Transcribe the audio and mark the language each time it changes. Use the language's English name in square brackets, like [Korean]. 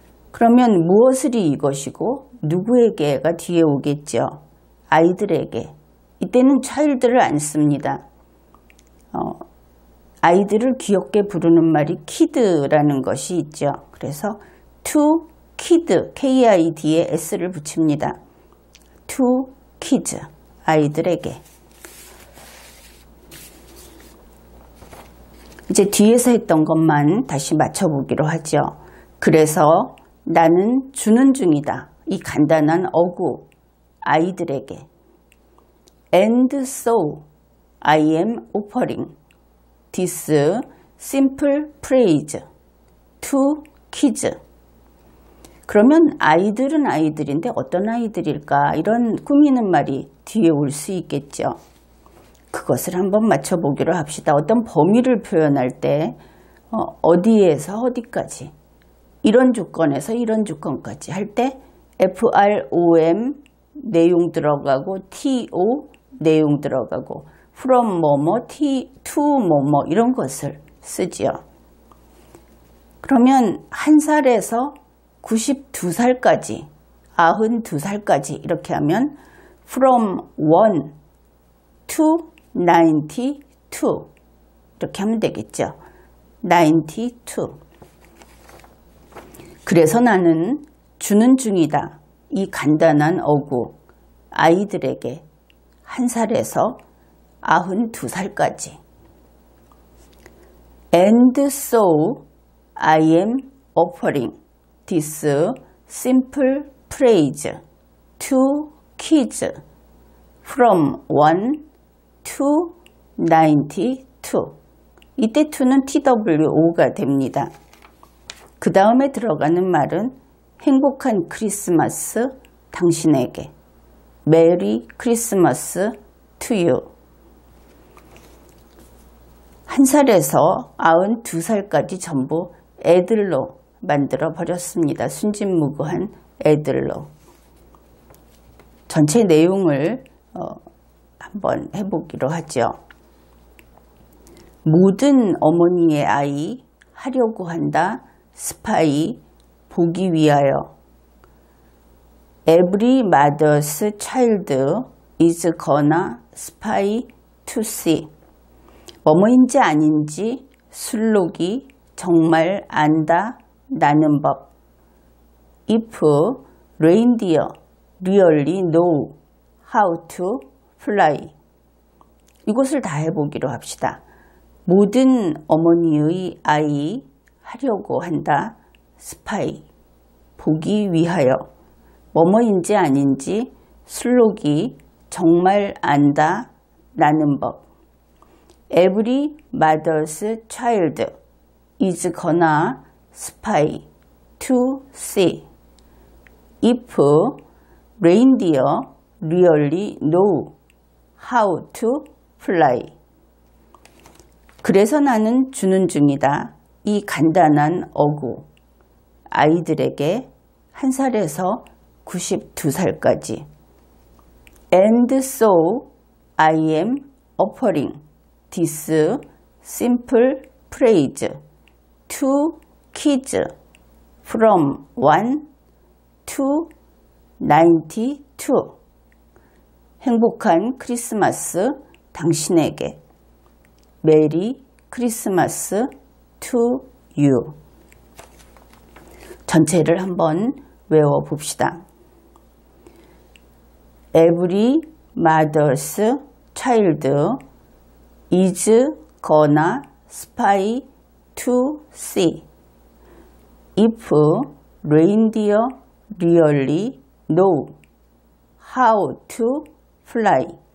[Korean] 그러면 무엇을 이것이고 누구에게가 뒤에 오겠죠. 아이들에게. 이때는 child를 안 씁니다. 아이들을 귀엽게 부르는 말이 kid라는 것이 있죠. 그래서 to kid, K-I-D에 S를 붙입니다. [English] To kids, [Korean] 아이들에게. 이제 뒤에서 했던 것만 다시 맞춰보기로 하죠. 그래서 나는 주는 중이다. 이 간단한 어구, 아이들에게. [English] And so, I am offering this simple phrase to kids. [Korean] 그러면 아이들은 아이들인데 어떤 아이들일까? 이런 꾸미는 말이 뒤에 올 수 있겠죠. 그것을 한번 맞춰보기로 합시다. 어떤 범위를 표현할 때 어디에서 어디까지 이런 조건에서 이런 조건까지 할 때 from 내용 들어가고 to 내용 들어가고 from 뭐뭐 to 뭐뭐 이런 것을 쓰지요. 그러면 한 살에서 92살까지, 92살까지 이렇게 하면 [English] from 1 to 92 [Korean] 이렇게 하면 되겠죠. 92. 그래서 나는 주는 중이다. 이 간단한 어구 아이들에게 한 살에서 92살까지. [English] And so I am offering this simple phrase to kids from 1 to 92. [Korean] 이때 to는 two가 됩니다. 그 다음에 들어가는 말은 행복한 크리스마스 당신에게. [English] Merry Christmas to you. [Korean] 한 살에서 92살까지 전부 애들로 만들어 버렸습니다. 순진무구한 애들로. 전체 내용을 한번 해보기로 하죠. 모든 어머니의 아이 하려고 한다. 스파이 보기 위하여. [English] Every mother's child is gonna spy to see. [Korean] 어머니인지 아닌지 술록이 정말 안다. 나는 법. [English] If reindeer really know how to [Korean] 플라이. 이것을 다 해보기로 합시다. 모든 어머니의 아이 하려고 한다. 스파이. 보기 위하여. 뭐뭐인지 아닌지 슬로기 정말 안다. 라는 법. [English] Every mother's child is gonna spy to see if reindeer really know how to fly. [Korean] 그래서 나는 주는 중이다. 이 간단한 어구. 아이들에게 한 살에서 92살까지. [English] And so I am offering this simple phrase to kids from 1 to 92. [Korean] 행복한 크리스마스 당신에게. [English] 메리 크리스마스 to you. [Korean] 전체를 한번 외워 봅시다. [English] Every mother's child is gonna spy to see if reindeer really know how to fly.